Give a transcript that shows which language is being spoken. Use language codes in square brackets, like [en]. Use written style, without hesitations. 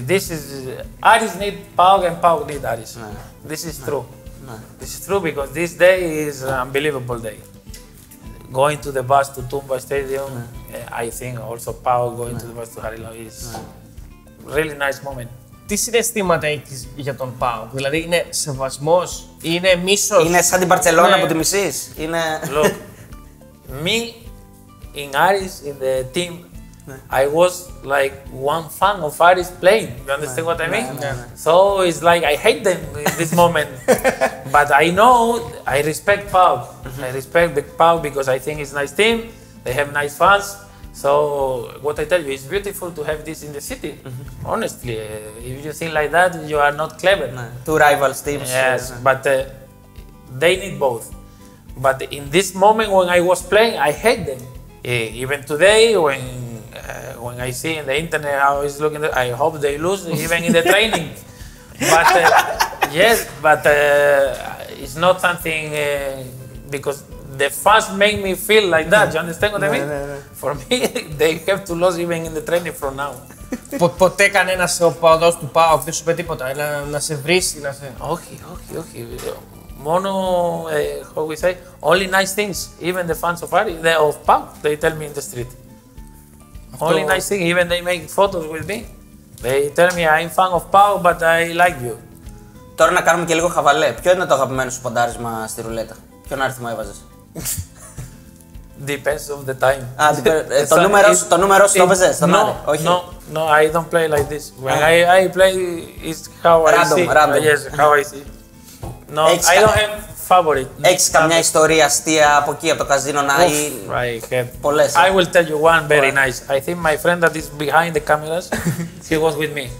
[en] This is Aris need Pauk and Pauk need Aris. This is true. This is true because this day is an unbelievable day. Going to the bus to Tumba Stadium, I think also Pauk going to the bus to Harilo is really nice moment. [el] Τι συναισθήματα έχεις για τον Πάο, δηλαδή είναι σεβασμός, είναι μίσος? Είναι σαν την Μπαρτσελόνα που τη μισείς. Είναι... [en] Look, me in Aris, in the team, I was like one fan of Άρης playing. You understand what I mean? So it's like I hate them in this moment. But I know I respect Pau. I respect Big Pau because I think it's a nice team. They have nice fans. So what I tell you, it's beautiful to have this in the city. Mm-hmm. Honestly, if you think like that, you are not clever. No. Two rivals teams. Yes, but they need both. But in this moment when I was playing, I hate them. Even today, when I see in the internet how it's looking, I hope they lose even in the training. But yes, but it's not something because the fans make me feel like that. You understand what I mean? No, no, no. For me, they have to lose even in the training from now. [el] Ποτέ κανένα ο παδό του ΠΑΟΚ δεν σου πει τίποτα. Να σε βρίσκει, να σε. Όχι, όχι, όχι. Μόνο, [en] how we say, only nice things. Even the fans of ΠΑΟΚ, they tell me in the street. Only nice things. Even they make photos with me. They tell me I'm fan of ΠΑΟΚ, but I like you. [el] Τώρα να κάνουμε και λίγο χαβαλέ. Ποιο είναι το αγαπημένο σου ποντάρισμα στη ρουλέτα? Ποιον αριθμό έβαζες? [en] Depends on the time. [el] Το νούμερο σου το έβαζες? [en] No, I don't play like this. When I play, it's how I see. Random. Yes, how I see. No, I don't have favorite. [el] Έχεις καμιά ιστορία αστεία από εκεί, από το καζίνο, να ή πολλές? [en] I will tell you one very nice. I think my friend that is behind the cameras, he was with me.